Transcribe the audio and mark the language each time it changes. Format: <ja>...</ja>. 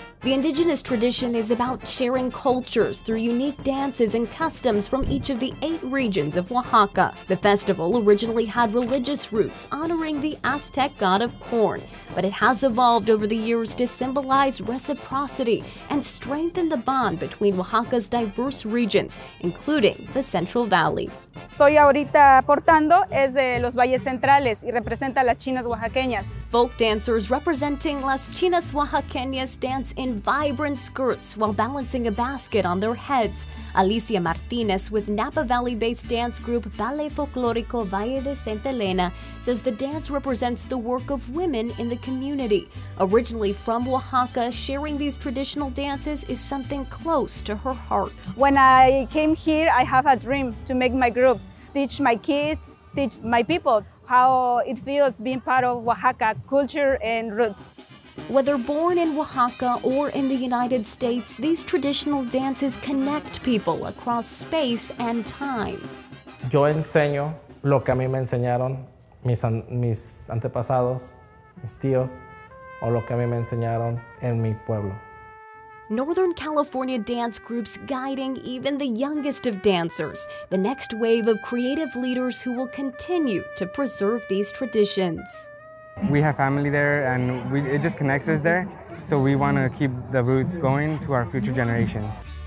<en>The indigenous tradition is about sharing cultures through unique dances and customs from each of the 8 regions of Oaxaca. The festival originally had religious roots, honoring the Aztec god of corn, but it has evolved over the years to symbolize reciprocity and strengthen the bond between Oaxaca's diverse regions, including the Central Valley.</en> <es>Estoy ahorita portando es de los valles centrales y representa las chinas oaxaqueñas.</es> <en>Folk dancers representing las chinas oaxaqueñas dance in vibrant skirts while balancing a basket on their heads. Alicia Martinez with Napa Valley-based dance group Ballet Folklorico Valle de Santa Elena says the dance represents the work of women in the community. Originally from Oaxaca, sharing these traditional dances is something close to her heart. When I came here, I have a dream to make my group, teach my kids, teach my people how it feels being part of Oaxaca culture and roots. Whether born in Oaxaca or in the United States, these traditional dances connect people across space and time.</en> <es>Yo enseño lo que a mí me enseñaron mis antepasados, mis tíos, o lo que a mí me enseñaron en mi pueblo.</es> <en>Northern California dance groups guiding even the youngest of dancers, the next wave of creative leaders who will continue to preserve these traditions. We have family there and it just connects us there, so we want to keep the roots going to our future generations.</en>